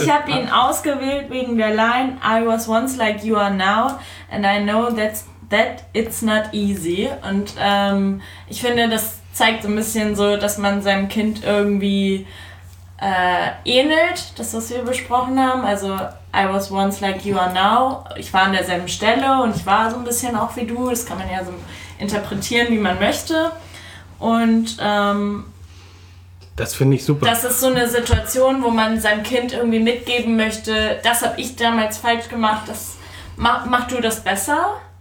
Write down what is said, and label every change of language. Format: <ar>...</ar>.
<de>Ich habe ihn ausgewählt wegen der Line</de> <en>I was once like you are now and I know that it's not easy.</en> <de>Und ich finde, das zeigt so ein bisschen so, dass man seinem Kind irgendwie ähnelt, das, was wir besprochen haben.</de> <en>Also, I was once like you are now.</en> <de>Ich war an derselben Stelle und ich war so ein bisschen auch wie du. Das kann man ja so interpretieren, wie man möchte. Und das finde ich super. Das ist so eine Situation, wo man seinem Kind irgendwie mitgeben möchte, das habe ich damals falsch gemacht, das mach du das besser.</de>